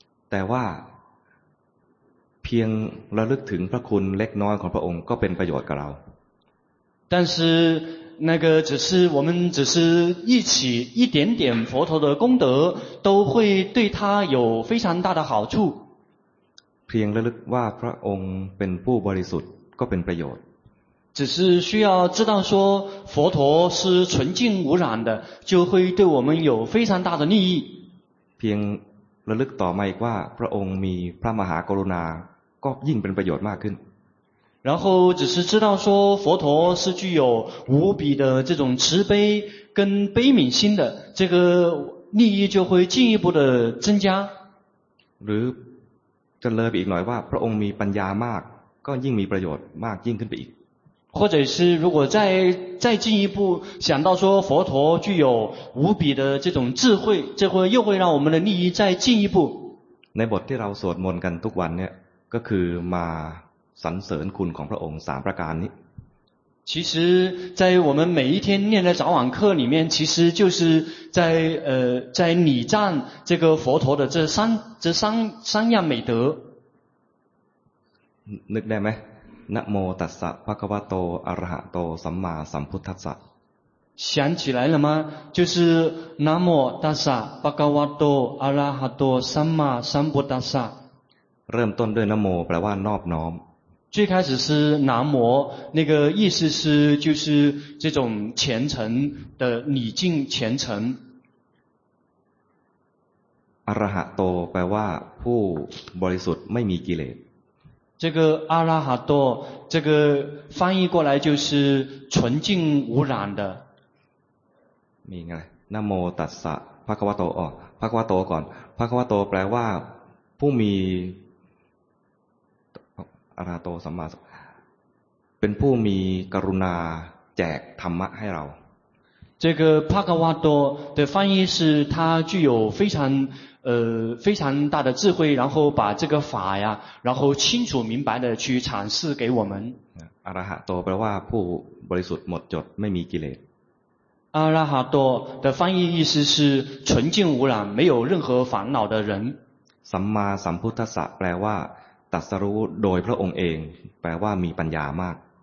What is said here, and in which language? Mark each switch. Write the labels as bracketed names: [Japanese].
[Thai] แต่ว่าเพียงระลึกถึงพระคุณเล็กน้อยของพระองค์ก็เป็นประโยชน์กับเรา [Chinese] 但是那个只是我们只是一起一点点佛陀的功德都会对他有非常大的好处 [Thai] เพียงระลึกว่าพระองค์เป็นผู้บริสุทธิ์ก็เป็นประโยชน์ [Chinese] 只是需要知道说佛陀是纯净无染的就会对我们有非常大的利益 [Thai] เพียงระลึกต่อมาอีกว่าพระองค์มีพระมหากรุณาก็ยิ่งเป็นประโยชน์มากขึ้น [Chinese] 然后只是知道说佛陀是具有无比的这种慈悲跟悲悯心的这个利益就会进一步的增加 [Thai] หรือจะเลยอีกหน่อยว่าพระองค์มีปัญญามากก็ยิ่งมีประโยชน์มากยิ่งขึ้นไปอีก [Chinese] 或者是如果再进一步想到说佛陀具有无比的这种智慧这会又会让我们的利益再进一步 [Thai] ในบทที่เราสวดมนต์กันทุกวันเนี่ยก็คือมาสรรเสริญคุณของพระองค์สามประการนี้ [Chinese] 其实在我们每一天念的早晚课里面其实就是在礼赞这个佛陀的这三样美德 [Thai] นึกได้ไหมนะโมตัสสะภะคะวะโตอะระหะโตสัมมาสัมพุทธัสสะ [Chinese] 想起来了吗就是 [Thai] นะโมตัสสะภะคะวะโตอะระหะโตสัมมาสัมพุทธัสสะ เริ่มต้นด้วยนะโมแปลว่านอบน้อม [Chinese] 最开始是南无那个意思是就是这种虔诚的礼敬虔诚 [Thai] อรหะโตแปลว่าผู้บริสุทธิ์ไม่มีกิเลส [Chinese] 这个อรหะโต这个翻译过来就是纯净无染的 [Thai] มีไงนะโมตัสสะภะคะวะโตอ๋อภะคะวะโตก่อนภะคะวะโตแปลว่าผู้มีอราโตสัมมาเป็นผู้มีกรุณาแจกธรรมะให้เรา [Chinese] 这个帕卡瓦多的翻译是他具有非常非常大的智慧，然后把这个法呀，然后清楚明白的去阐释给我们。 [Thai] 阿拉哈多แปลว่าผู้บริสุทธิ์หมดจดไม่มีกิเลส。 [Chinese] 阿拉哈多的翻译意思是纯净无染，没有任何烦恼的人。 [Thai] สัมมาสัมพุทธัสสะแปลว่าตรัสรู้โดยพระองค์เองแปลว่ามีปัญญามาก。